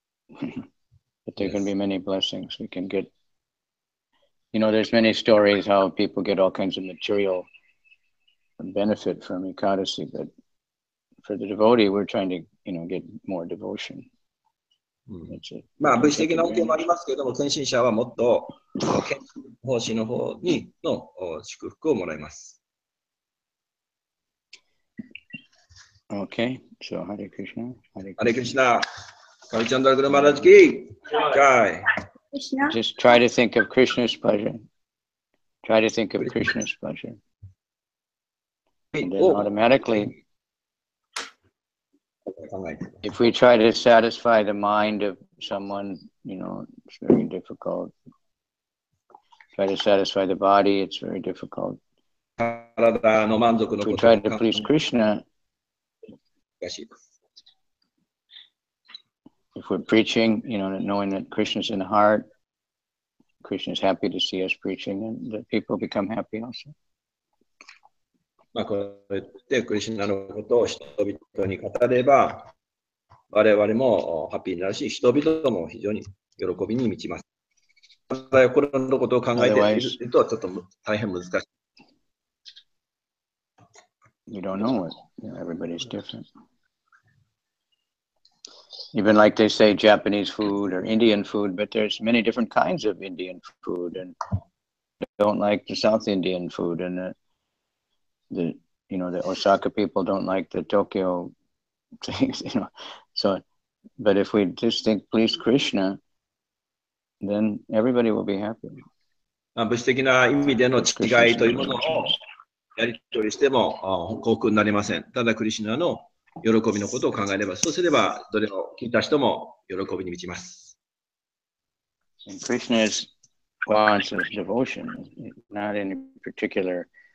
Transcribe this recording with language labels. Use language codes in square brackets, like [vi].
[en] But there can be many blessings we can get. You know, there's many stories how people get all kinds of material benefit from Ekadasi, but for the devotee, we're trying to, you know, get more devotion. [ja] まあ物質的な恩恵もありますけれども、献身者はもっと献身奉仕の方にの祝福をもらいます。 [en] Okay, so Hare Krishna, Hare Krishna, Kavicandra Guru Maharaj ki jai. Just try to think of Krishna's pleasure. Try to think of Krishna's pleasure. And then automatically. If we try to satisfy the mind of someone, you know, it's very difficult. Try to satisfy the body, it's very difficult. If we try to please Krishna, if we're preaching, you know, knowing that Krishna's in the heart, Krishna's happy to see us preaching, and the people become happy also. [ja] まあ、こうやってクリシュナのことを人々に語れば我々もハッピーになるし人々も非常に喜びに満ちます。これのことを考えているとちょっと大変難し [en] い。You don't know it. Everybody's different. Even like they say Japanese food or Indian food, but there's many different kinds of Indian food and don't like the South Indian food and the, you know, the Osaka people don't like the Tokyo things, you know, so, but if we just think, please Krishna, then everybody will be happy. [ja] 物質的な意味での違いというものをやり取りしても幸福になりません。ただクリシナの喜びのことを考えれば、そうすればどれを聞いた人も喜びに満ちます。 [en] And Krishna's response is devotion, not any particular...